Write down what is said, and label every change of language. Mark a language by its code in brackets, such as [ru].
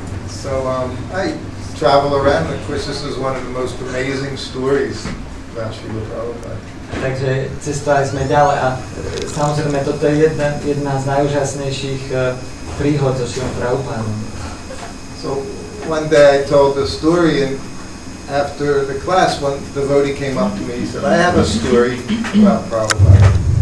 [en] So, I travel around, of course, this is one of the most amazing stories about Srila Prabhupada. [sk] Takže cestovali sme ďalej a samozrejme toto je jedna z najúžasnejších príhod so Srilom Prabhupádom. [en] So one day I told the story and after the class one devotee came up to me, he said, I have a story about Prabhupada.